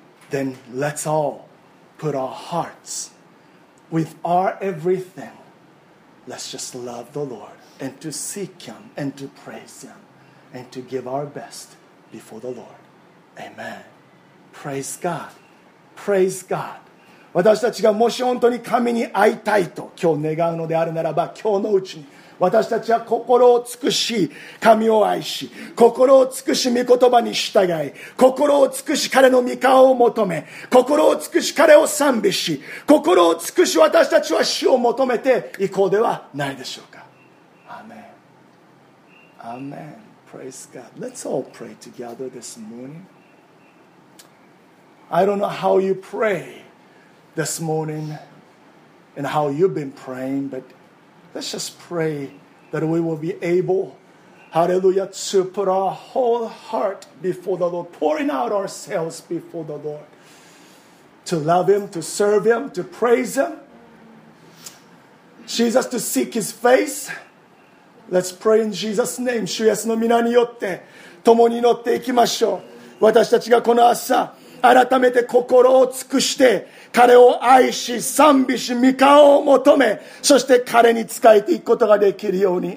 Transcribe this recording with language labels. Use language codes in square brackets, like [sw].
[en] Then let's all put our hearts with our everything. Let's just love the Lord and to seek him and to praise him and to give our best before the Lord. Amen. Praise God. Praise God. [ja] 私たちがもし本当に神に会いたいと今日願うのであるならば、今日のうちに私たちは心を尽くし神を愛し、心を尽くし御言葉に従い、心を尽くし彼の御顔を求め、心を尽くし彼を賛美し、心を尽くし私たちは主を求めていこうではないでしょうか。アーメン。アーメン。 [en] Praise God. Let's all pray together this morning. I don't know how you prayThis morning and how you've been praying, but let's just pray that we will be able, hallelujah, to put our whole heart before the Lord, pouring out ourselves before the Lord, to love Him, to serve Him, to praise Him, Jesus, to seek His face. Let's pray in Jesus' name. [ja] 主イエスの皆によって共に祈っていきましょう。私たちがこの朝改めて心を尽くして彼を愛し、賛美し、御顔を求め、そして彼に仕えていくことができるように。